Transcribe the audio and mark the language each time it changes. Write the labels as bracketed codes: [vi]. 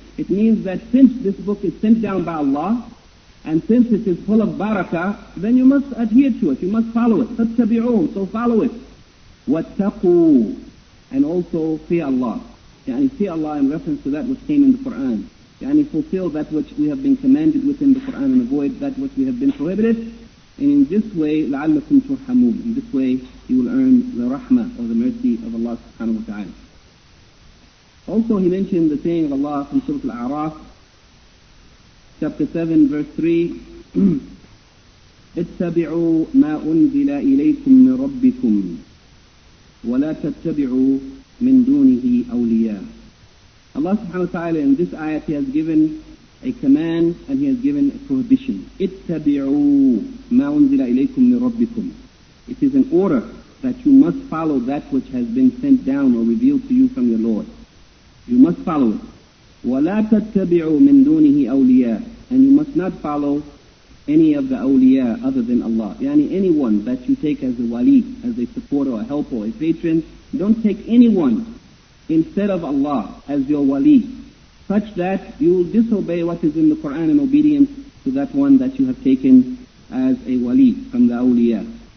[en] It means that since this book is sent down by Allah, and since it is full of barakah, then you must adhere to it. You must follow it. [ar] فتبعوه. [en] So follow it. [ar] واتقوا. [en] And also fear Allah. يعني fear Allah in reference to that which came in the Quran. يعني fulfill that which we have been commanded within the Quran and avoid that which we have been prohibited. And in this way, [ar] لعلكم ترحمون. [en] In this way, you will earn the rahmah or the mercy of Allah subhanahu wa ta'ala. Also, he mentioned the saying of Allah from Surah Al-A'raf, chapter 7, verse 3. [ar] اتبعوا ما أنزل إليكم من ربكم ولا تتبعوا من دونه أولياء. [en] Allah subhanahu wa ta'ala, in this ayat, he has given a command and he has given a prohibition. [ar] اتبعوا ما أنزل إليكم من ربكم. [en] It is an order that you must follow that which has been sent down or revealed to you from your Lord. You must follow it. [ar] وَلَا تَتَّبِعُوا مِن دُونِهِ أَوْلِيَاءَ. [en] And you must not follow any of the awliya other than Allah. Yani anyone that you take as a wali, as a supporter, a helper, or a patron, don't take anyone instead of Allah as your wali, such that you will disobey what is in the Quran in obedience to that one that you have taken as a wali from the awliya.